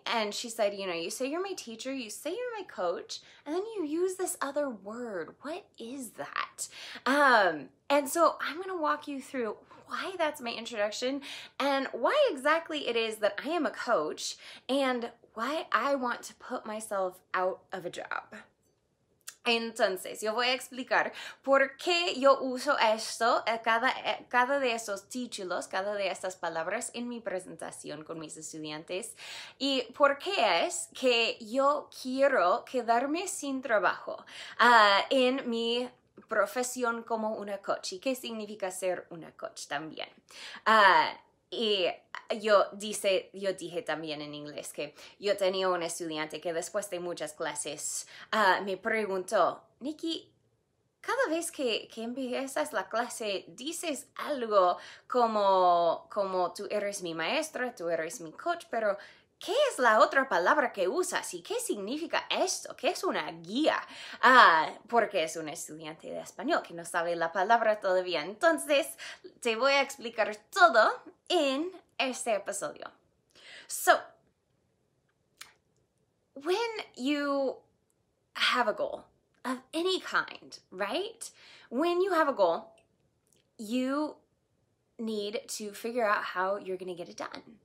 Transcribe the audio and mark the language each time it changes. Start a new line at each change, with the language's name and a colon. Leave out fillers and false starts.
English: And she said, you know, you say you're my teacher, you say you're my coach, and then you use this other word. What is that? And so I'm gonna walk you through why that's my introduction and why exactly it is that I am a coach and why I want to put myself out of a job.
Spanish: Entonces, yo voy a explicar por qué yo uso esto, cada de esos títulos, cada de estas palabras en mi presentación con mis estudiantes y por qué es que yo quiero quedarme sin trabajo en mi profesión como una coach y qué significa ser una coach también. Y yo dije también en inglés que yo tenía un estudiante que después de muchas clases me preguntó, Nikki, cada vez que empiezas la clase, dices algo como tú eres mi maestra, tú eres mi coach, pero ¿qué es la otra palabra que usas y qué significa esto? ¿Qué es una guía? Porque es un estudiante de español que no sabe la palabra todavía. Entonces, te voy a explicar todo en este episodio.
English: So, when you have a goal of any kind, right? When you have a goal, you need to figure out how you're going to get it done.